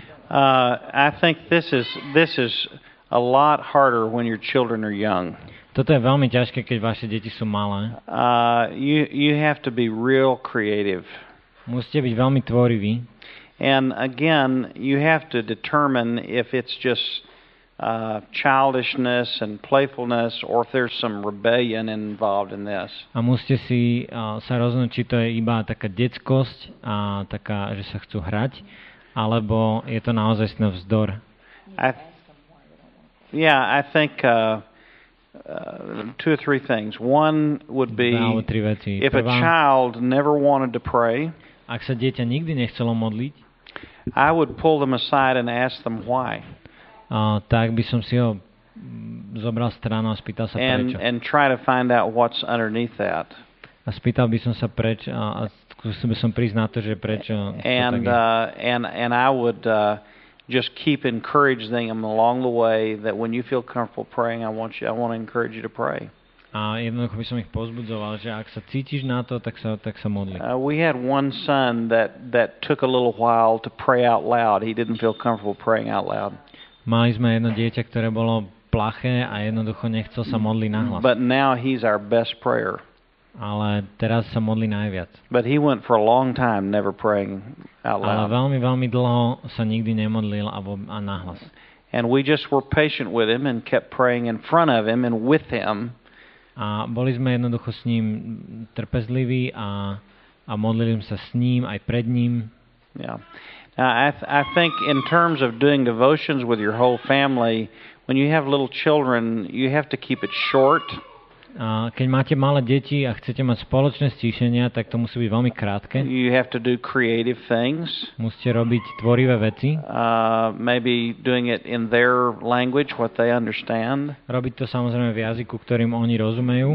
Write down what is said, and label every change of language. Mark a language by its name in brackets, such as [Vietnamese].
[English] I think this is a lot harder when your children are young. [Slovak] Toto je veľmi ťažké, keď vaše deti sú malé. [English] You have to be real creative. [Slovak] Musíte byť veľmi tvoriví. [English] And again, you have to determine if it's just childishness and playfulness or if there's some rebellion involved in this. [Slovak] A musíte si sa rozhodnúť, či to je iba taká detskosť a taká, že sa chcú hrať, alebo je to naozaj ten vzdor. [English] I think two or three things. One would be if a child never wanted to pray, [Slovak] ak sa dieťa nikdy nechcelo modliť, [English] I would pull them aside and ask them why. [Slovak] Tak by som si ho zobral stranu a spýtal sa prečo. [English] And try to find out what's underneath that. [Slovak] A spýtal by som sa prečo a skúsil by som prísť na to, že prečo. [English] And I would just keep encouraging them along the way that when you feel comfortable praying, I want to encourage you to pray. [Slovak] A jednoducho by som ich pozbudzoval, že ak sa cítiš na to, tak sa modli. [English] We had one son that took a little while to pray out loud. He didn't feel comfortable praying out loud. [Slovak] Mali sme jedno dieťa, ktoré bolo plaché a jednoducho nechcel sa modliť nahlas. [English] But now he's our best prayer. [Slovak] Ale teraz sa modlí najviac. [English] But he went for a long time never praying out loud. [Slovak] Ale veľmi, veľmi dlho sa nikdy nemodlil a nahlas. [English] And we just were patient with him and kept praying in front of him and with him. [Slovak] A boli sme jednoducho s ním trpezliví a modlili sa s ním aj pred ním. [English] Yeah. I think in terms of doing devotions with your whole family, when you have little children, you have to keep it short. [Slovak] Keď máte malé deti a chcete mať spoločné stíšenia, tak to musí byť veľmi krátke. [English] You have to do creative things. [Slovak] Musíte robiť tvorivé veci. [English] Maybe doing it in their language, what they understand. [Slovak] Robiť to samozrejme v jazyku, ktorým oni rozumejú.